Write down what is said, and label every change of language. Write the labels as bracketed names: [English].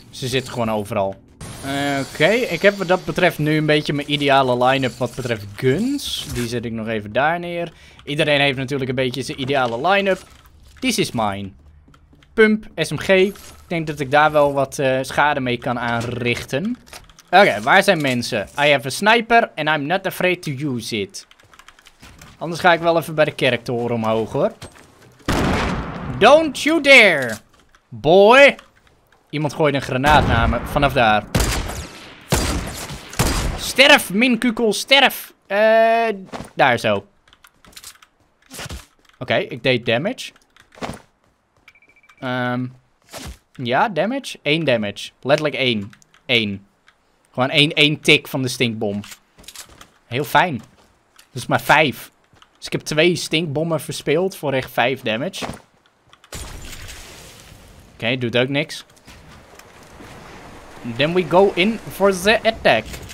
[Dutch] Ze zitten gewoon overal. Oké, ik heb wat dat betreft nu een beetje mijn ideale line-up wat betreft guns. Die zet ik nog even daar neer. Iedereen heeft natuurlijk een beetje zijn ideale line-up. [English] This is mine. [Dutch] Pump, SMG. Ik denk dat ik daar wel wat schade mee kan aanrichten. Oké, waar zijn mensen? [English] I have a sniper and I'm not afraid to use it. [Dutch] Anders ga ik wel even bij de kerktoren omhoog hoor. [English] Don't you dare, boy. [Dutch] Iemand gooit een granaat naar me vanaf daar. Sterf, min kukkel, sterf. Daar zo. Oké, ik deed damage. Ja, damage. 1 damage. Letterlijk 1. 1. Gewoon 1 tik van de stinkbom. Heel fijn. Dat is maar 5. Dus ik heb 2 stinkbommen verspeeld voor echt 5 damage. Oké, doet ook niks. [English] Then we go in for the attack.